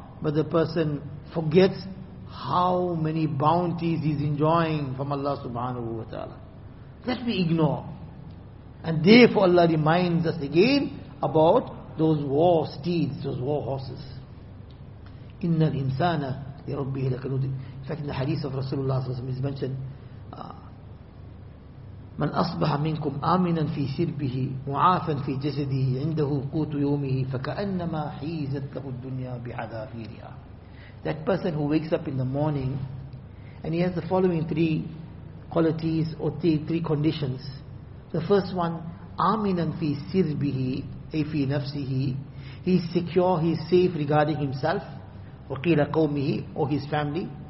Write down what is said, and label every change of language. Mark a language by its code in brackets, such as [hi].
[en] But the person forgets how many bounties he's enjoying from Allah subhanahu wa ta'ala. That we ignore. And therefore Allah reminds us again about those war steeds, those war horses. [ar] إِنَّ الْإِنسَانَ لِرَبِّهِ لَكَنُودِ. [en] In fact, in the hadith of Rasulullah s.a.w. is mentioned, [ar] مَنْ أَصْبَحَ مِنْكُمْ آمِنًا فِي سِرْبِهِ مُعَافًا فِي جَسَدِهِ عِنْدَهُ قُوتُ يَوْمِهِ فَكَأَنَّمَا حِيزَتْ لَهُ الدُّنْيَا بِعَذَافِيرِهَا. [en] That person who wakes up in the morning and he has the following three qualities or three conditions. The first one, [ar] aminan fi sirbihi, fi nafsihi. [en] He is secure, he is safe regarding himself, [ar] waqila qawmihi, [en] or his family.